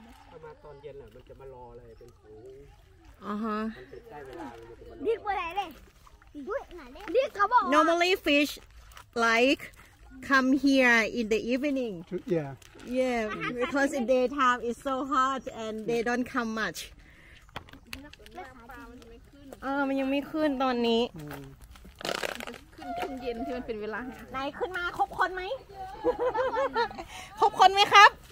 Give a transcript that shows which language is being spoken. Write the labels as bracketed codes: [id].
[th] ถ้ามาตอนเย็นน่ะมันจะมารออะไรเป็นฝูง อ่าฮะ ดิ๊กว่าไหนเลยดิ๊กเขาบอก [en] normally fish like come here in the evening yeah because in daytime it's so hot and they don't come much [th] เออมันยังไม่ขึ้นตอนนี้ ขึ้นเย็นที่มันเป็นเวลา ไหนขึ้นมาครบคนไหมครบคนไหมครับ